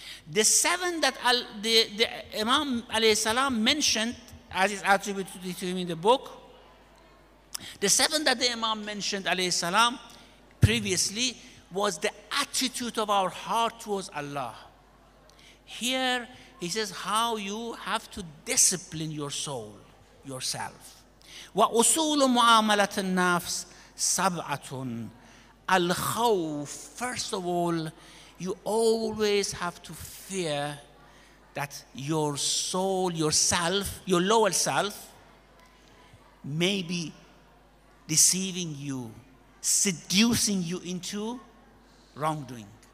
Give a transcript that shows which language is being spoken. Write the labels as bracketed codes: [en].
[en] The seven that the Imam alayhi salam mentioned, as is attributed to him in the book, the seven that the Imam mentioned alayhi salam previously was the attitude of our heart towards Allah. Here he says how you have to discipline your soul, yourself. [ar] وأصول معاملة النفس سبعة الخوف. [en] First of all, you always have to fear that your soul, yourself, your lower self may be deceiving you, seducing you into wrongdoing.